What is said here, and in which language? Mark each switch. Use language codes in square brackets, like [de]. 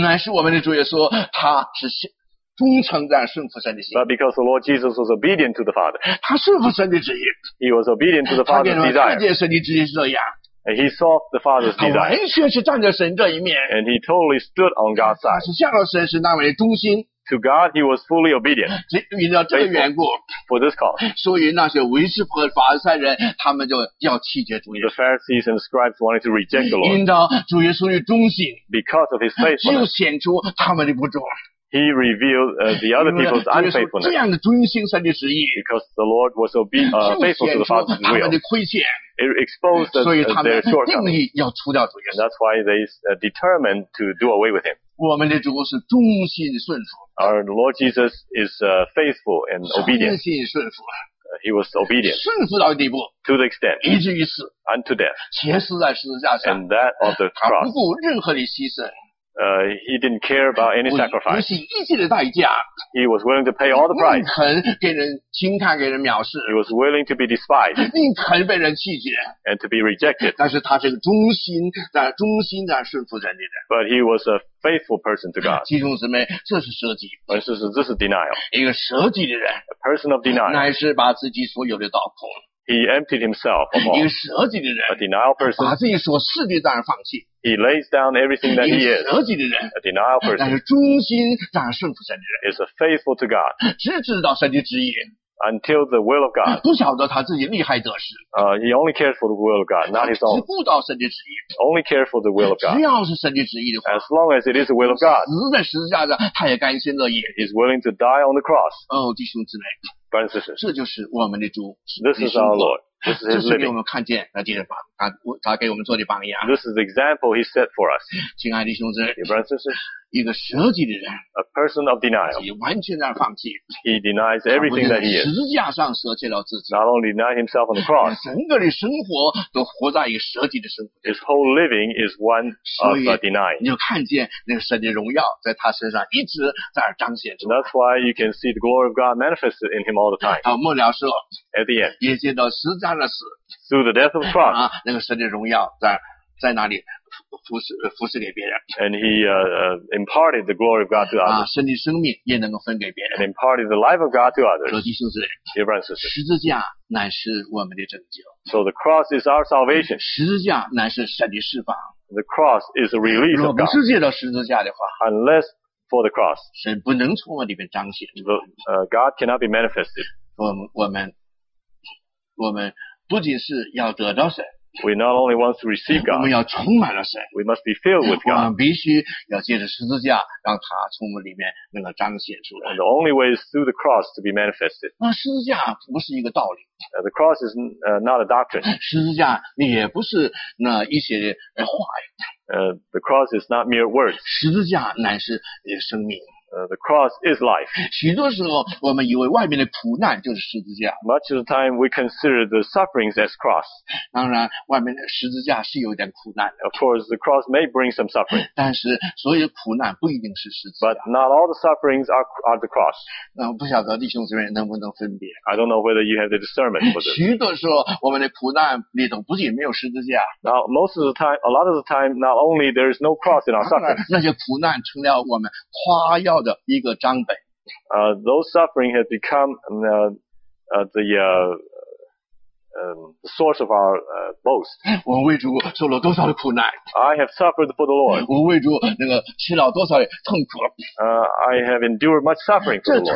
[zh] 乃是我们的主耶稣，他是忠诚在顺服神的心。 [en] But because the Lord Jesus was obedient to the Father, [zh] 他顺服神的旨意。 [en] He was obedient to the Father's desire. [zh] 他看见神的旨意是这样。 [en] And he saw the Father's desire. [zh] 他完全是站在神这一面。 [en] And he totally stood on God's side. [zh] 他是向着神是那位的忠心。 [en] To God, he was fully obedient. [zh] 你知道这个缘故。 [en] For this cause. [zh] 所以那些文士和法利赛人，他们就要弃绝主耶稣。 [en] The Pharisees and scribes wanted to reject the Lord. [zh] 因着主耶稣的忠心。 [en] Because of his faithfulness. [zh] 就显出他们的不忠。 [en] He revealed the other people's unfaithfulness. [zh] 这样的忠心神的旨意。 [en] Because the Lord was faithful to the Father's will. [zh] 就显出他们的亏欠。 [en] It exposed their shortcomings. [zh] 所以他们定义要除掉主耶稣。 [en] That's why they determined to do away with him. [zh] 我们的主是忠心顺服。 [en] Our Lord Jesus is faithful and obedient. [zh] 忠心顺服。 [en] He was obedient. [zh] 顺服到地步。 [en] To the extent. [zh] 以至于死。 [en] Unto death. [zh] 且死在十字架上。 [en] And that of the cross. [zh] 他不顾任何的牺牲。 [en] He didn't care about any sacrifice. [zh] 不惜一切的代价。 [en] He was willing to pay all the price. [zh] 宁肯给人轻看，给人藐视。 [en] He was willing to be despised. [zh] 宁肯被人拒绝。 [en] And to be rejected. [zh] 但是他是个忠心的，忠心的顺服真理的。 [en] But he was a faithful person to God. [zh] 弟兄姊妹，这是舍己。 [en] This is denial. [zh] 一个舍己的人。 [en] A person of denial. [zh] 乃是把自己所有的倒空。 [en] He emptied himself of all. [zh] 一个舍己的人。 [en] A denial person. [zh] 把自己所是的当然放弃。 [en] He lays down everything that he is. [zh] 一个舍己的人。 [en] A denial person. [zh] 但是忠心当然顺服神的人。 [en] Is a faithful to God. [zh] 只知道神的旨意。 [en] Until the will of God. [zh] 不晓得他自己利害得失。 [en] He only cares for the will of God, not his own. [zh] 只顾到神的旨意。 [en] Only cares for the will of God. [zh] 只要是神的旨意的话。 [en] As long as it is the will of God. [zh] 死在十字架上，他也甘心乐意。 [en] He's willing to die on the cross. [zh] 哦，弟兄姊妹。这就是我们的主。 [en] This is our Lord. This is His living. [zh] 这是给我们看见那地的榜，他给我们做的榜样。 [en] This is the example He set for us. [zh] 亲爱的兄弟们，一个舍己的人。 [en] A person of denial. [zh] 也完全在放弃。 [en] He denies everything that he is. [zh] 十字架上舍弃了自己。 [en] Not only denied himself on the cross. [zh] 整个的生活都活在一个舍己的生活。 [en] His whole living is one of a denial. [zh] 你就看见那个神的荣耀在他身上一直在那彰显着。 [en] That's why you can see the glory of God manifested in him all the time. [zh] 到末了时候。 [en] At the end. [zh] 也见到十字架的死。 [en] Through the death of the cross. [zh] 那个神的荣耀在哪里服侍给别人。 [en] And he imparted the glory of God to others. [zh] 身体生命也能够分给别人。 [en] And imparted the life of God to others. [zh] 弟兄姊妹，十字架乃是我们的拯救。 [en] So the cross is our salvation. [zh] 十字架乃是神的释放。 [en] The cross is a release of God. [zh] 若不是借着十字架的话。 [en] Unless for the cross. [zh] 神不能从我里面彰显。 [en] God cannot be manifested. [zh] 我们不仅是要得到神。 [en] We not only want to receive God. [zh] 我们要充满了神。 [en] We must be filled with God. [zh] 我们必须要借着十字架，让他从我们里面能够彰显出来。 [en] And the only way is through the cross to be manifested. [zh] 那十字架不是一个道理。 [en] The cross is not a doctrine. [zh] 十字架也不是那一些话语。 [en] The cross is not mere words. [zh] 十字架乃是生命。 [en] The cross is life. [zh] 许多时候我们以为外面的苦难就是十字架。 [en] Much of the time we consider the sufferings as cross. [zh] 当然外面的十字架是有点苦难的。 [en] Of course, the cross may bring some suffering. [zh] 但是所有的苦难不一定是十字架。 [en] But not all the sufferings are the cross. [zh] 那我不晓得弟兄姊妹能不能分别。 [en] I don't know whether you have the discernment for this. [zh] 许多时候我们的苦难里头不仅没有十字架。 [en] Now, most of the time, a lot of the time, not only there is no cross in our suffering. [zh] 那些苦难成了我们夸耀的一个章本。 [en] Those suffering have become the source of our boast. [zh] 我为主受了多少的苦难。 [en] I have suffered for the Lord. [zh] 我为主那个吃了多少的痛苦。 [en] I have endured much suffering for the Lord.